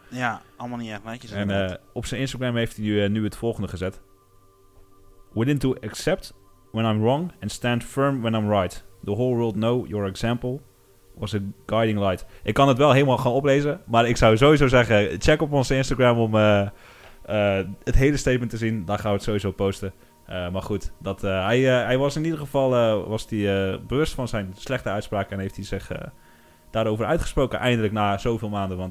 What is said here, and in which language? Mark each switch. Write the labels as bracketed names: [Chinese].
[Dutch] Ja, allemaal niet echt netjes. En op zijn Instagram heeft hij nu het volgende gezet. [English] Willing to accept when I'm wrong and stand firm when I'm right. The whole world know your example was a guiding light. [Dutch] Ik kan het wel helemaal gaan oplezen, maar ik zou sowieso zeggen, check op onze Instagram om... het hele statement te zien, daar gaan we het sowieso posten. Maar goed, hij was in ieder geval bewust van zijn slechte uitspraken en heeft hij zich daarover uitgesproken, eindelijk na zoveel maanden.